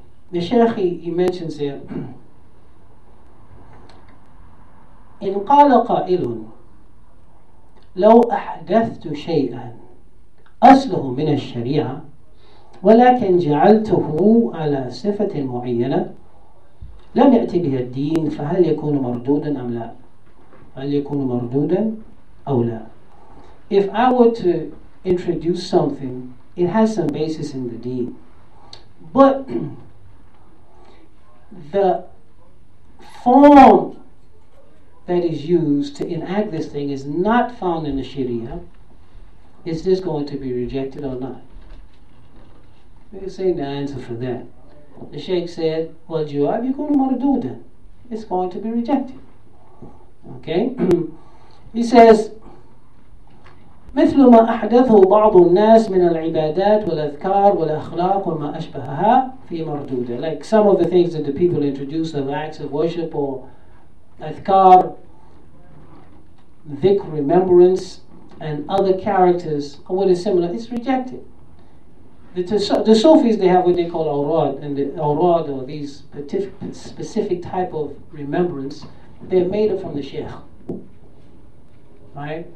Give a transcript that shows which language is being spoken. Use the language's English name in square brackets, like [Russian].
[English] The Shaykh, he mentions here, [Arabic] in qala qailun, لو أحدثت شيئا أصله من الشريعة ولكن جعلته على صفة معينة لم يأتي بها الدين فهل يكون مردودا أم لا؟ هل يكون مردودا أو لا؟ [English] if I were to introduce something, it has some basis in the deen. But the form that is used to enact this thing is not found in the Sharia. Is this going to be rejected or not? They say the answer for that. The Shaykh said, well, Jawab, you're going to want to do that. It's going to be rejected. Okay? He says, [Arabic] مثل ما أحدثه بعض الناس من العبادات والأذكار والأخلاق وما أشبهها في مردودة. [English] Like some of the things that the people introduce of acts of worship or أذكار, ذكر, remembrance, and other characters, or what is similar, it's rejected. The Sufis, they have what they call awrad, and the awrad, or these specific type of remembrance, they're made up from the Shaykh. Right?